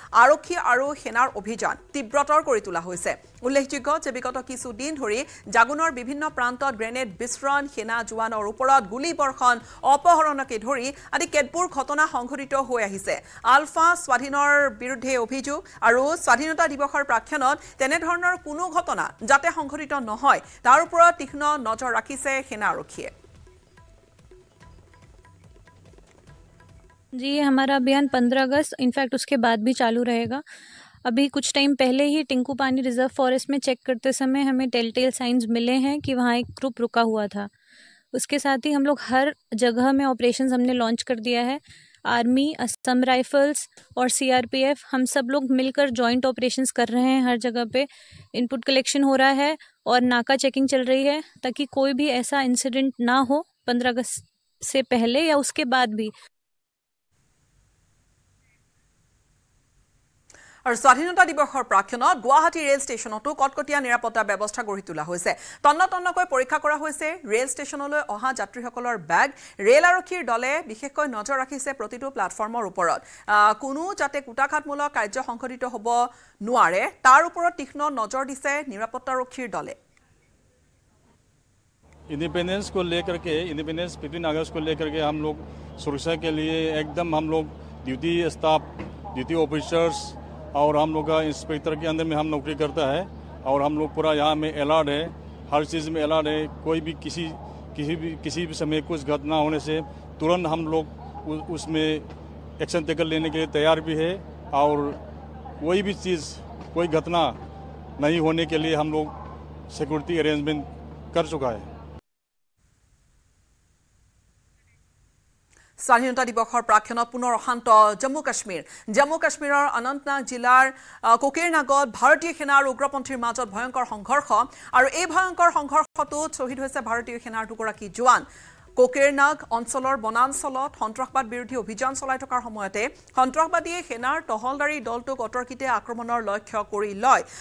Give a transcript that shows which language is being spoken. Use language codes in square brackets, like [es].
[as] আৰক্ষী আৰু সেনাৰ অভিযান তীব্ৰতৰ কৰি তোলা হৈছে উল্লেখযোগ্য যে বিগত কিছুদিন ধৰি জাগুনৰ বিভিন্ন প্ৰান্তত গ্ৰেনেড বিস্ফোৰণ সেনা জোৱানৰ ওপৰত গুলীবৰ্ষণ অপহৰণকে ধৰি আদি কেতবোৰ ঘটনা সংঘটিত হৈ আহিছে আলফা স্বাধীনৰ বিৰুদ্ধে অভিযোগ আৰু স্বাধীনতা দিৱসৰ প্ৰাক্ষণত তেনেধৰণৰ কোনো ঘটনা যাতে সংঘটিত নহয় তাৰ ওপৰত তীক্ষ্ণ নজৰ ৰাখিছে সেনা আৰক্ষীয়ে [hi] জি আমাৰ অভিযান 15 আগষ্ট ইনফেক্ট উচকে বাদ ভি চালু ৰহেগা अभी कुछ टाइम पहले ही टिंकुपानी रिजर्व फॉरेस्ट में चेक करते समय हमें टेलटेल साइंस मिले हैं कि वहाँ एक ग्रुप रुका हुआ था उसके साथ ही हम लोग हर जगह में ऑपरेशंस हमने लॉन्च कर दिया है आर्मी असम राइफल्स और सीआरपीएफ हम सब लोग मिलकर जॉइंट ऑपरेशंस कर रहे हैं हर जगह पे इनपुट कलेक्शन हो रहा है और नाका चेकिंग चल रही है ताकि कोई भी ऐसा इंसिडेंट ना हो 15 अगस्त से पहले या उसके बाद भी [as] আৰু স্বাধীনতা দিৱসৰ প্ৰাক্ষণত গুৱাহাটী ৰেল ষ্টেচনতো কটকটীয়া নিৰাপত্তা ব্যৱস্থা গঢ়ি তোলা হৈছে তন্ন তন্নকৈ পৰীক্ষা কৰা হৈছে ৰেল ষ্টেচনলৈ অহা যাত্ৰীসকলৰ বেগ ৰেল আৰক্ষীৰ দলে বিশেষকৈ নজৰ ৰাখিছে প্ৰতিটো প্লেটফৰ্মৰ ওপৰত কোনো যাতে কুটাঘাতমূলক কাৰ্য সংঘটিত হ'ব নোৱাৰে তাৰ ওপৰত তীক্ষ্ণ নজৰ দিছে নিৰাপত্তাৰক্ষীৰ দলে [hi] इंडिपेंडेंस को लेकर के इंडिपेंडेंस 15 अगस्त को लेकर के हम लोग सुरक्षा के लिए एकदम हम लोग ड्यूटी स्टाफ ड्यूटी ऑफिसर्स और हम लोग का इंस्पेक्टर के अंदर में हम नौकरी करता है और हम लोग पूरा यहाँ में अलर्ट है, हर चीज़ में अलर्ट है। कोई भी किसी भी समय कुछ घटना होने से तुरंत हम लोग उसमें एक्शन टेकर लेने के लिए तैयार भी है और कोई भी चीज़ कोई घटना नहीं होने के लिए हम लोग सिक्योरिटी अरेंजमेंट कर चुका है। [as] স্বাধীনতা দিবসৰ প্ৰাক্ষণত পুনৰ অহান্ত জম্মু কাশ্মীৰৰ অনন্তনাগ জিলাৰ কোকেৰনাগত ভাৰতীয় সেনা আৰু উগ্ৰপন্থীৰ মাজত ভয়ংকৰ সংঘৰ্ষ আৰু এই ভয়ংকৰ সংঘৰ্ষটোত শ্বহীদ হৈছে ভাৰতীয় সেনাৰ দুগৰাকী জোৱান। কোকেৰনাগ অঞ্চলৰ বনাঞ্চলত সন্ত্ৰাসবাদ বিৰোধী অভিযান চলাই থকাৰ সময়তে সন্ত্ৰাসবাদীয়ে সেনাৰ তহলদাৰী দলটোক অতৰ্কিতে আক্ৰমণৰ লক্ষ্য কৰি লয়।